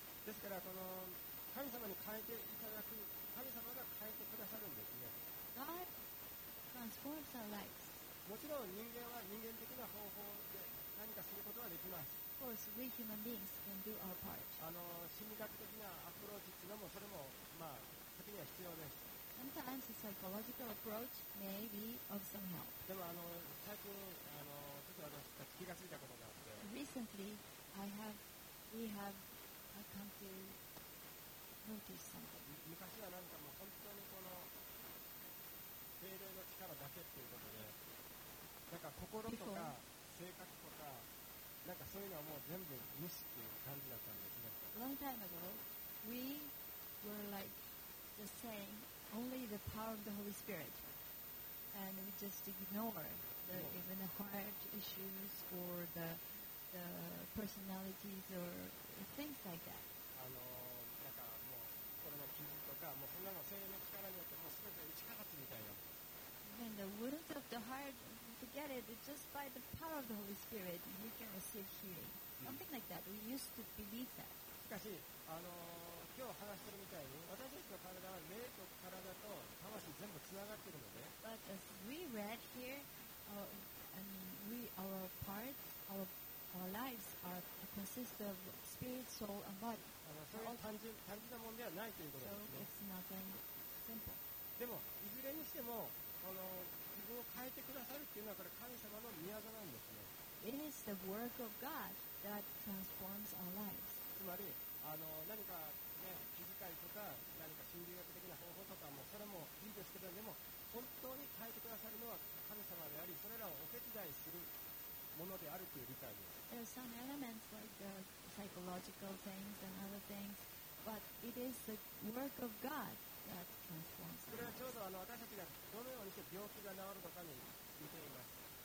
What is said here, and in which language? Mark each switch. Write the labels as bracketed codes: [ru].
[ja] ですからこの神様に変えていただく、神様が変えてくださるんですね。 [en] God transforms our lives. [ja] もちろん人間は人間的な方法で何かすることはできます。 [en] Of course, we human beings can do our part. [ja] 心理学的なアプローチというのもそれも、まあ、時には必要です。 [en] Sometimes a psychological approach may be of some help. [ja] でも最近ちょっと私たち気がついたことがあって、 [en] Recently, I come to notice something. [ja] 昔はなんかもう本当にこの精霊の力だけっていうことで、なんか心とか性格とかなんかそういうのはもう全部無視っていう感じだったんですね。 [en] Long time ago, we were like just saying. Only the power of the Holy Spirit, and we just ignore the even the heart issues or the personalities or things like that. [ja] なんかもうこれの傷とかもうそんなの精霊の力によってもうすべて打ち勝つみたいな。 [en] And the wounds of the heart, forget it. Just by the power of the Holy Spirit, you can receive healing. Something like that. We used to believe that. [ja] しかし今日話してるみたいに、私たちの体は霊と体と魂全部つながっているので、 [en] But as we read here, our lives are consist of spirit, soul, and body. [ja] それは単純なものではないということですね。 [en] So it's nothing simple. [ja] でもいずれにしても自分を変えてくださるっていうのはこれ神様の御業なんですね。 [en] It is the work of God that transforms our lives. [ja] つまり何か、ね、気遣いとか何か心理学的な方法とかもそれもいいですけど、でも本当に変えてくださるのは神様であり、それらをお手伝いするものであるという理解です。 [en] There are some elements like the psychological things and other things, but it is the work of God that transforms. [ja] それはちょうど私たちがどのようにして病気が治るのかに似ています。